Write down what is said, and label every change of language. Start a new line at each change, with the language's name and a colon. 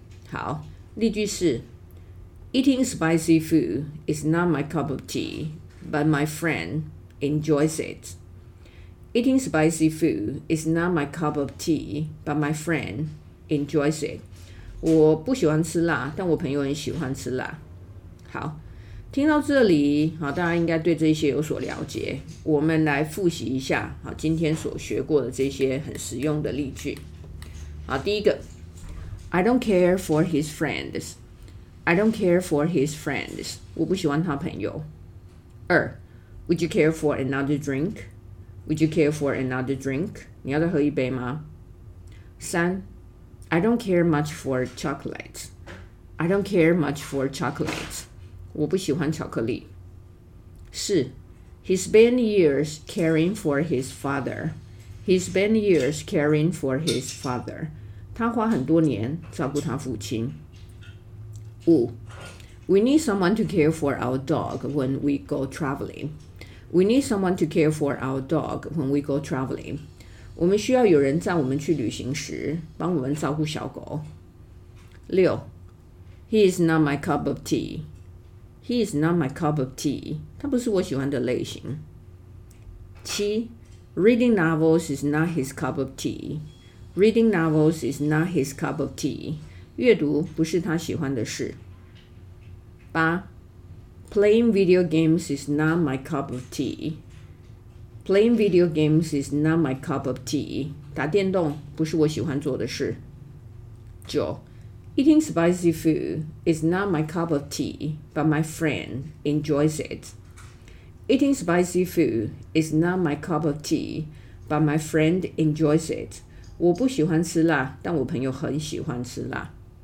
Chinese: 好，例句是，
English: eating spicy food is not my cup of tea， but my friend enjoys it， eating spicy food is not my cup of tea， but my friend enjoys it。
Chinese: 我不喜欢吃辣，但我朋友很喜欢吃辣。好，听到这里，好，大家应该对这些有所了解。我们来复习一下，好，今天所学过的这些很实用的例句。
English: 好，第一个， I don't care for his friends， I don't care for his friends，
Chinese: 我不喜欢他朋友。
English: 二， Would you care for another drink， Would you care for another drink，
Chinese: 你要再喝一杯吗？
English: 三，I don't care much for chocolate. I don't care much for chocolate.
Chinese: 我不喜欢巧克力。
English: 四， He spent years caring for his father. He spent years caring for his father.
Chinese: 他花很多年照顾他父亲。
English: 五， We need someone to care for our dog when we go traveling. We need someone to care for our dog when we go traveling.
Chinese: 我们需要有人在我们去旅行时帮我们照顾小狗。
English: 六， He is not my cup of tea， He is not my cup of tea，
Chinese: 他不是我喜欢的类型。
English: 七， Reading novels is not his cup of tea， Reading novels is not his cup of tea，
Chinese: 阅读不是他喜欢的事。
English: 八， Playing video games is not my cup of tea， Playing video games is not my cup of tea.
Chinese: 打电动不是我喜欢做的事。
English: 九 Eating spicy food is not my cup of tea, but my friend enjoys it. Eating spicy food is not my cup of tea, but my friend enjoys it.
Chinese: 我不喜欢吃辣，但我朋友很喜欢吃辣。